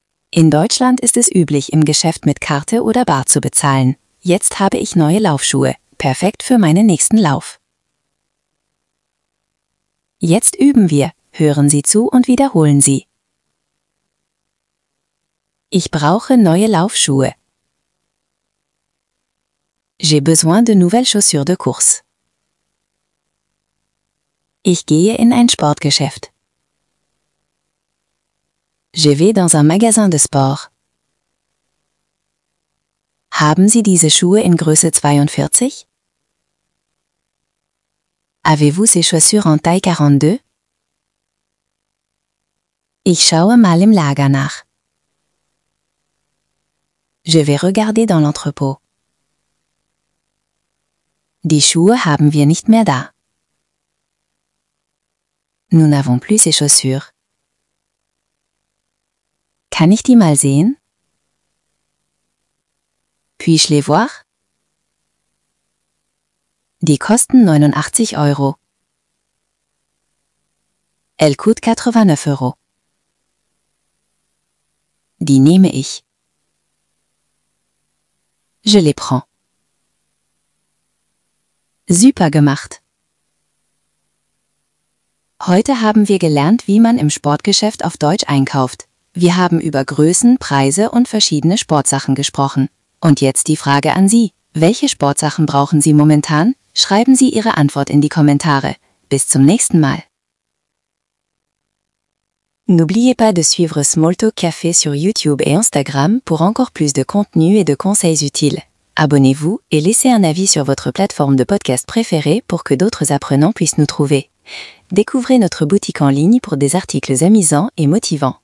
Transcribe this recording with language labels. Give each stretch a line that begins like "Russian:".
German: In Deutschland ist es üblich, im Geschäft mit Karte oder Bar zu bezahlen. Jetzt habe ich neue Laufschuhe. Perfekt für meinen nächsten Lauf. Jetzt üben wir. Hören Sie zu und wiederholen Sie. Ich brauche neue Laufschuhe.
French: J'ai besoin de nouvelles chaussures de course.
German: Ich gehe in ein Sportgeschäft.
French: Je vais dans un magasin de sport.
German: Haben Sie diese Schuhe in Größe 42?
French: Avez-vous ces chaussures en taille 42?
German: Ich schaue mal im Lager nach.
French: Je vais regarder dans l'entrepôt.
German: Die Schuhe haben wir nicht mehr da.
French: Nous n'avons plus ces chaussures.
German: Kann ich die mal sehen?
French: Puis-je les voir?
German: Die kosten 89 Euro.
French: Elle coûte 89 Euro.
German: Die nehme ich.
French: Je les prends.
German: Super gemacht. Heute haben wir gelernt, wie man im Sportgeschäft auf Deutsch einkauft. Wir haben über Größen, Preise und verschiedene Sportsachen gesprochen. Und jetzt die Frage an Sie. Welche Sportsachen brauchen Sie momentan? Schreiben Sie Ihre Antwort in die Kommentare. Bis zum nächsten Mal.
French: N'oubliez pas de suivre Smalltalk Café sur YouTube et Instagram pour encore plus de contenu et de conseils utiles. Abonnez-vous et laissez un avis sur votre plateforme de podcast préférée pour que d'autres apprenants puissent nous trouver. Découvrez notre boutique en ligne pour des articles amusants et motivants.